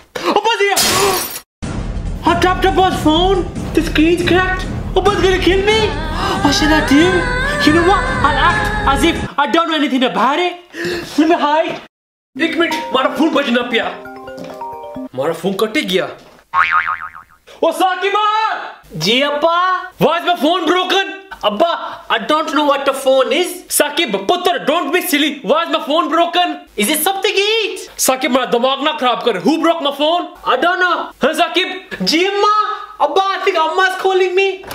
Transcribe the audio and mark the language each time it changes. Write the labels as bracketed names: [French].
[English] Abba's here! I dropped Abba's phone. The screen's cracked. Abba's gonna kill me. What should I do? You know what? I'll act as if I don't know anything about it. Let me hide. 1 minute. [Punjabi] ਮਾਰਾ phone ਬਜਣੇ ਨਾ ਪਯਾ। ਮਾਰਾ phone ਕਟੇ Gaya. [English] Oh, Saqib ma! Ji, Abba. Why is my phone broken? Abba, I don't know what the phone is. Saqib, putter, don't be silly. Why is my phone broken? Is it something to eat? [Punjabi] Saqib, mera dimag na kharab kar. [English] Who broke my phone? I don't know. Huh, Saqib? Ji, Amma. Abba, I think Amma's calling me.